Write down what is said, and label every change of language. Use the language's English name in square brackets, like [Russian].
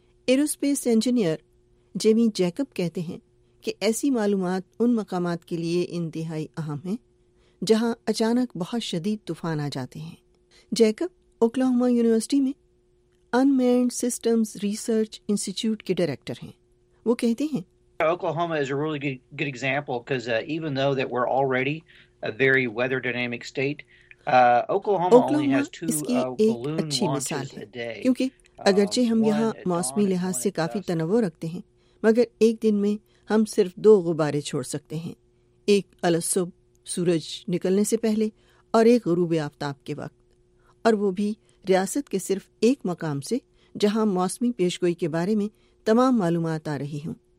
[Urdu] Aerospace engineer Jamie Jacob کہتے ہیں کہ ایسی معلومات ان مقامات کے لیے انتہائی اہم ہیں جہاں اچانک بہت شدید طوفان آ جاتے ہیں۔ جیکب اوکلاہوما یونیورسٹی میں ان مینڈ سسٹمز ریسرچ انسٹیٹیوٹ کے ڈائریکٹر ہیں۔ وہ کہتے ہیں [English] Oklahoma is a really good example cause even though that we are already a very weather dynamic state Oklahoma [Urdu] اس کی ایک اچھی مثال ہے، کیونکہ اگرچہ ہم یہاں موسمی لحاظ سے کافی تنوع رکھتے ہیں مگر ایک دن میں ہم صرف دو غبارے چھوڑ سکتے ہیں، ایک الصبح سورج نکلنے سے پہلے اور ایک غروب آفتاب کے وقت، اور وہ بھی ریاست کے صرف ایک مقام سے جہاں موسمی پیش گوئی کے بارے میں تمام معلومات آ رہی ہوں۔